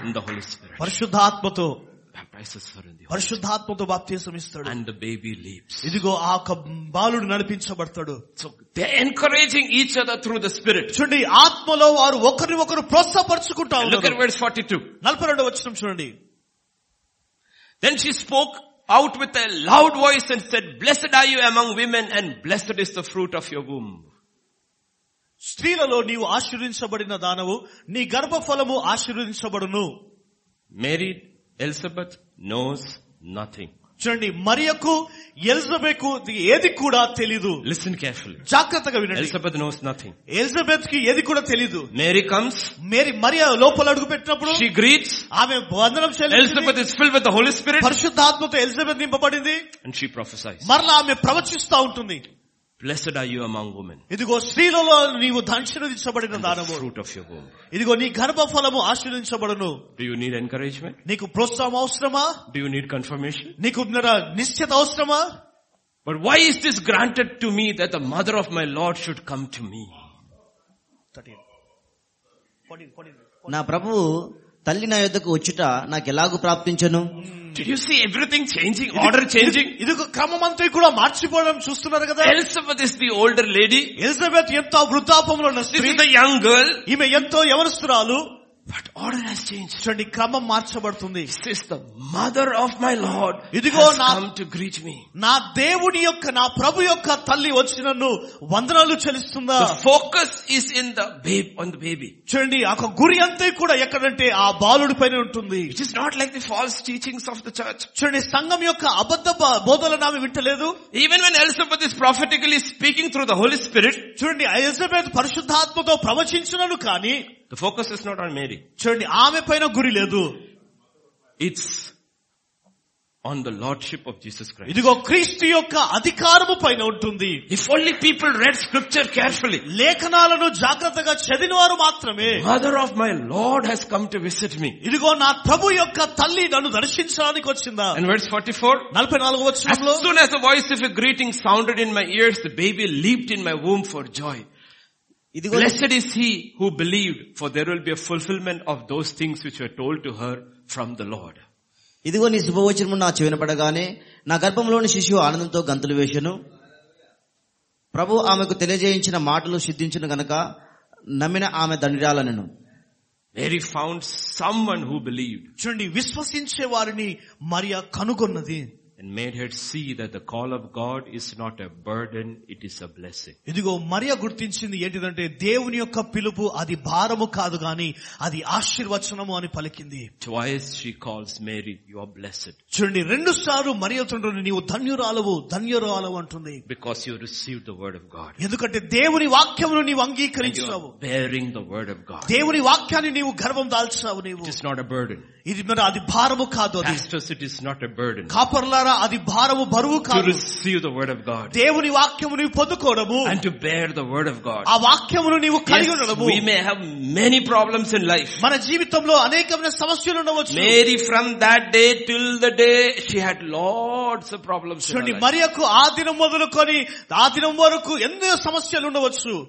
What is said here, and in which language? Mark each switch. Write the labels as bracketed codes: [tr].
[en] in the holy spirit [te] పరిశుద్ధాత్మతో [en] baptises for in the [te] పరిశుద్ధాత్మతో baptism ఇస్తాడు [en] and the baby leaps [te] ఇదిగో ఆ బాలుడు నడిపించబడతాడు. [en] so they encouraging each other through the spirit [te] చూడండి ఆత్మలో వారు ఒకరిని ఒకరు ప్రోత్సాహపరుచుకుంటారు. [en] look at verse 42 [te] 42 వచనం చూడండి. [en] Then she spoke out with a loud voice and said, blessed are you among women and blessed is the fruit of your womb. [te] స్త్రీలలో నీవు ఆశీర్వదించబడిన దానవు నీ గర్భఫలము ఆశీర్వదించబడును. [en] Mary, Elizabeth knows nothing. [te] చూడండి మరియకు ఎలిజబెత్కు ఏది కూడా తెలియదు. [en] Listen carefully. [te] జాగ్రత్తగా వినండి. [en] Elizabeth knows nothing. [te] ఎలిజబెత్ కి ఏది కూడా తెలియదు. [en] Mary comes. [te] Mary మరియ లోపల అడుగు పెట్టినప్పుడు [en] she greets. [te] ఆమె వందనం చెల్లి [en] Elizabeth is filled with the Holy Spirit. [te] పరిశుద్ధాత్మతో ఎలిజబెత్ నింపబడింది. [en] And she prophesies. [te] మరలా ఆమె ప్రవచిస్తా ఉంటుంది. [en] Blessed are you among women. [te] ఇదిగో స్త్రీలలో నీవు ధన్యుడవబడిన దానవు. [en] Fruit of your womb. [te] ఇదిగో నీ గర్భఫలము ఆశీర్వదించబడును. [en] Do you need encouragement? [te] నీకు ప్రోత్సాహం అవసరమా? [en] Do you need confirmation? [te] నీకు నిశ్చయత అవసరమా? [en] But why is this granted to me that the mother of my Lord should come to me? 13. [te] నా ప్రభు తల్లి నా యొద్దకు వచ్చుట నాకు ఎలాగూ ప్రాప్తించను. [en] Did you see everything changing, order changing? [te] ఇదిగో క్రమమంతా ఇక్కడ మార్చిపోవడం చూస్తున్నారు కదా. [en] Elizabeth is the older lady. [te] Elizabeth ఎంతో వృద్ధాపంలో ఉన్న స్త్రీ. [en] Is the young girl. [te] ఈమె ఎంతో యవనస్తురాలు. [en] But order has changed. [te] చూడండి క్రమం మార్చబడుతుంది. [en] This is the mother of my Lord. [te] ఇదిగో [en] నా come to greet me. [te] నా దేవుని యొక్క నా ప్రభు యొక్క తల్లి వచ్చి నన్ను వందనాలు చెల్లిస్తుందా. [en] The focus is in the baby, on the baby. [te] చూడండి ఆ గురి అంతా కూడా ఎక్కడంటే ఆ బాలుడి పైన ఉంటుంది. [en] It is not like the false teachings of the church. [te] చూడండి సంఘం యొక్క అబద్ధ బోధలు నామి వింటలేదు. [en] Even when Elizabeth is prophetically speaking through the Holy Spirit. [te] చూడండి ఎలిజబెత్ పరిశుద్ధాత్మతో ప్రవచించినను కానీ [en] the focus is not on Mary. [te] చూడండి ఆమె పైన గురి లేదు. [en] It's on the lordship of Jesus Christ. [te] ఇదిగో క్రీస్తు యొక్క అధికారము పైన ఉంటుంది. [en] If only people read scripture carefully. [te] లేఖనాలను జాగ్రత్తగా చదివిన వారు మాత్రమే. [en] Mother of my Lord has come to visit me. [te] ఇదిగో నా ప్రభు యొక్క తల్లి నన్ను దర్శించడానికి వచ్చిందా. [en] In verse 44. [te] 44వ వచనంలో. [en] As soon as the voice of a greeting sounded in my ears, the baby leaped in my womb for joy. Blessed is he who believed, for there will be a fulfillment of those things which were told to her from the Lord. [te] ఇదిగో నీ శుభవచనము నా చెవిన పడగానే నా గర్భంలోని శిశువు ఆనందంతో గంతులు వేసెను. ప్రభు ఆమెకు తెలియజేయించిన మాటలు సిద్ధించిన గనక నమ్మిన ఆమె ధన్యురాలనెను. [en] Mary found someone who believed. [te] చూడండి విశ్వసించే వారిని మరియా కనుగొన్నది. [en] and made her see that the call of God is not a burden, it is a blessing. [te] ఇదిగో మరియ గుర్తించింది ఏంటంటే దేవుని యొక్క పిలుపు అది భారము కాదు గాని అది ఆశీర్వచనము అని పలికింది. [en] Twice she calls Mary, you are blessed. [te] చూడండి రెండు సార్లు మరియ తండ్రిని నీవు ధన్యురాలవు ధన్యురాలవు అంటుంది. [en] Because you received the word of God. [te] ఎందుకంటే దేవుని వాక్యమును నీవు అంగీకరించావు. [en] Bearing the word of God. [te] దేవుని వాక్యాన్ని నీవు గర్వం దాల్చావు నీవు. [en] It is not a burden. [te] ఇది మరి అది భారము కాదు. [en] Pastors, it is not a burden. [te] కాపర్లారా అది భారము బరువు కాదు. [en] To receive the word of God. [te] దేవుని వాక్యమును పొందుకోవడము. [en] And to bear the word of God. [te] ఆ వాక్యమును నీవు కలిగి ఉండడము. [en] We may have many problems in life. [te] మన జీవితంలో అనేకమైన సమస్యలు ఉండవచ్చు. [en] Mary from that day till the day she had lots of problems. [te] చూడండి మరియకు ఆ దినం మొదలుకొని ఆ దినం వరకు ఎన్నో సమస్యలు ఉండవచ్చు.